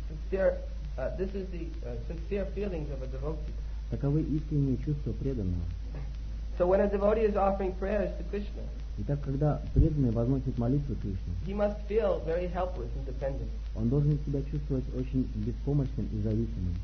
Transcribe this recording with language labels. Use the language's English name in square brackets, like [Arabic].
[English] This is the sincere feelings of a devotee. [Russian] Таковы искренние чувства преданного. [English] So when a devotee is offering prayers to Krishna, [Russian] итак, когда преданный возносит молитву Кришне, [English] he must feel very helpless and dependent. [Russian] Он должен себя чувствовать очень беспомощным и зависимым.